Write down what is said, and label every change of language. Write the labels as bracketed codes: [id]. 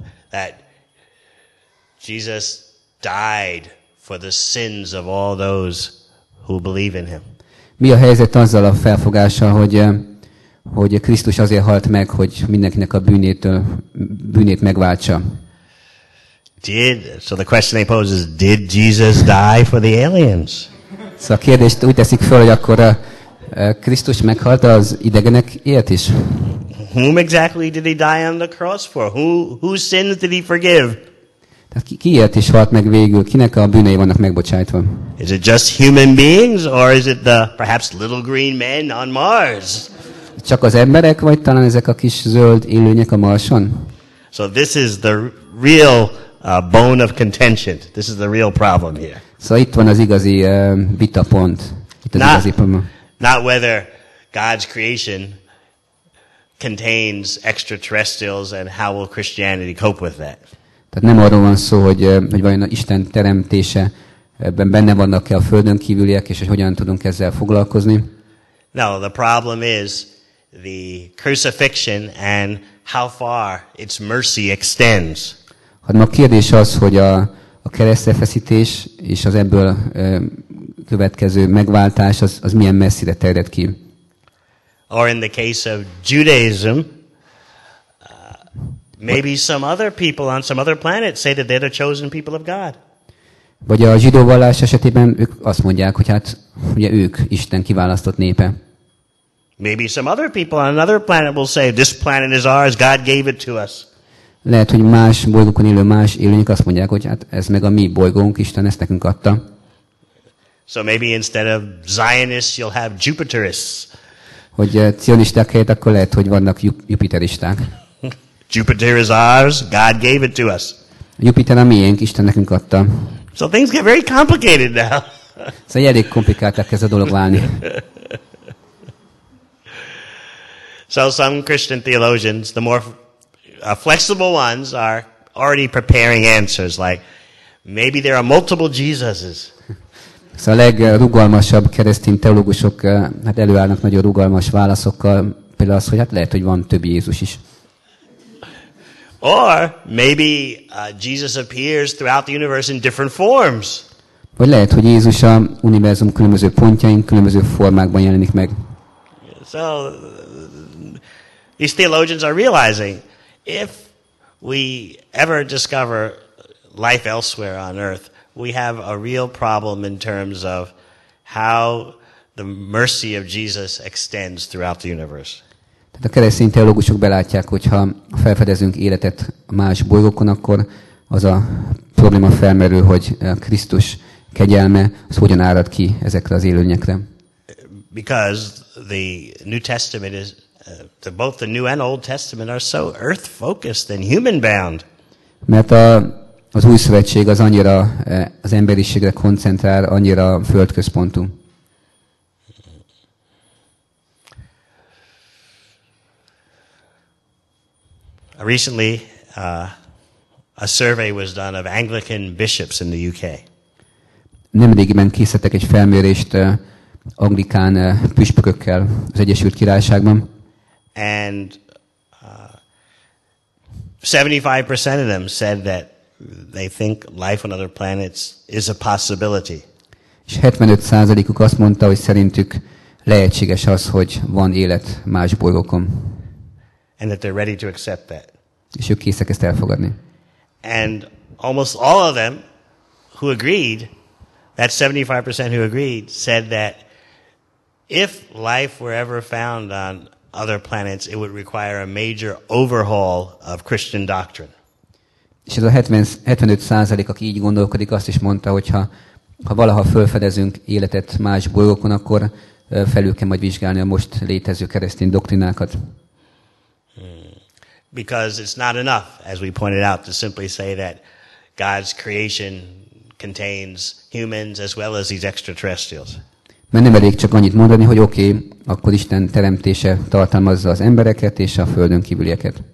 [en] That Jesus died for the sins of all those who believe in him. [hu] Mi a helyzet azzal a felfogással, hogy Krisztus azért halt meg, hogy mindenkinek a bűnét megváltsa? [en] So the question they pose is, did Jesus die for the aliens? [hu] Szóval a kérdést úgy teszik fel, hogy akkor Krisztus meghalt az idegenekért is? [en] Whom exactly did he die on the cross for? Whose sins did he forgive? [hu] Tehát kiért is halt meg végül? Kinek a bűnei vannak megbocsájtva? [en] Is it just human beings, or is it the perhaps little green men on Mars? [hu] Csak az emberek, vagy talán ezek a kis zöld élőnyek a Marson? [en] So this is the real bone of contention. This is the real problem here. [hu] Szóval itt van az igazi vita pont. Itt az igazi probléma. [en] Not whether God's creation contains extraterrestrials and how will Christianity cope with that. [hu] Tehát nem arról van szó, hogy vajon Isten teremtése benne vannak-e a Földön kívüliek, és hogy hogyan tudunk ezzel foglalkozni. [en] No, the problem is the crucifixion and how far its mercy extends. [hu] Hát a kérdés az, hogy a keresztre feszítés és az ebből következő megváltás az milyen messzire terjed ki. [en] Or in the case of Judaism, maybe some other people on some other planet say that they're the chosen people of God. [hu] Vagy a zsidó vallás esetében ők azt mondják, hogy hát ugye ők Isten kiválasztott népe. [en] Maybe some other people on another planet will say this planet is ours, God gave it to us. [hu] Lehet, hogy más bolygókon élő más élőnyök azt mondják, hogy hát ez meg a mi bolygónk, Isten ezt nekünk adta. [en] So maybe instead of Zionists you'll have Jupiterists. [hu] Hogy cionisták helyett akkor lehet, hogy vannak jupiteristák. [en] Jupiter is ours, God gave it to us. [hu] Jupiter a miénk, Isten nekünk adta. [en] So things get very complicated now. [hu] Szóval elég komplikáltak ez a dolog válni. [en] So some Christian theologians, the more flexible ones, are already preparing answers like maybe there are multiple Jesuses. [hu] Szóval a legrugalmasabb keresztény teológusok hát előállnak nagyon rugalmas válaszokkal, például az, hogy hát lehet, hogy van több Jézus is. [en] Or maybe Jesus appears throughout the universe in different forms. [hu] Vagy lehet, hogy Jézus a univerzum különböző pontjain, különböző formákban jelenik meg. [en] So these theologians are realizing if we ever discover life elsewhere on earth, we have a real problem in terms of how the mercy of Jesus extends throughout the universe. [hu] Tehát a keresztény teológusok belátják, hogyha felfedezünk életet más bolygókon, akkor az a probléma felmerül, hogy Krisztus kegyelme az hogyan árad ki ezekre az élőnyekre. [en] Because the New Testament is both the New and Old Testament are so earth focused and human bound. [hu] Mert az Új Szövetség az annyira az emberiségre koncentrál, annyira földközpontú. [en] Recently, a survey was done of Anglican bishops in the UK. [hu] Nemrégiben készítettek egy felmérést anglikán püspökökkel az Egyesült Királyságban. [en] And 75% of them said that they think life on other planets is a possibility. [hu] És 75%-uk azt mondta, hogy szerintük lehetséges az, hogy van élet más bolygókon. [en] And that they're ready to accept that. [hu] És ők készek ezt elfogadni. [en] And almost all of them who agreed, that 75% who agreed, said that if life were ever found on other planets, it would require a major overhaul of Christian doctrine. [hu] És ez a 75%, aki így gondolkodik, azt is mondta, hogy ha valaha felfedezünk életet más bolygókon, akkor felül kell majd vizsgálni a most létező keresztény doktrinákat. [en] Because it's not enough, as we pointed out, to simply say that God's creation contains humans as well as these extraterrestrials. [hu] Mert nem elég csak annyit mondani, hogy oké, akkor Isten teremtése tartalmazza az embereket és a földön kívülieket.